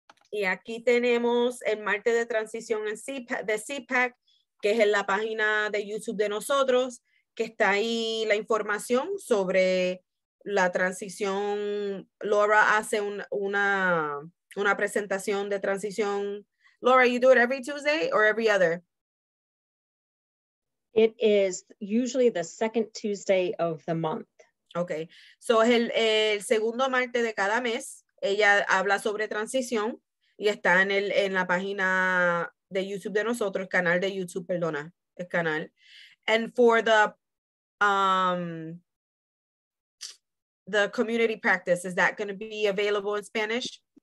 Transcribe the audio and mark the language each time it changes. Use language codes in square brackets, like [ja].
[es] Y aquí tenemos el martes de transición en CPAC, que es en la página de YouTube de nosotros, que está ahí la información sobre la transición. Laura hace una presentación de transición. [en] Laura, you do it every Tuesday or every other? It is usually the second Tuesday of the month. [es] Okay, so es el segundo martes de cada mes. Ella habla sobre transición y está en la página de YouTube de nosotros, canal de YouTube, perdona, el canal. [en] And for the community practice, is that going to be available in Spanish?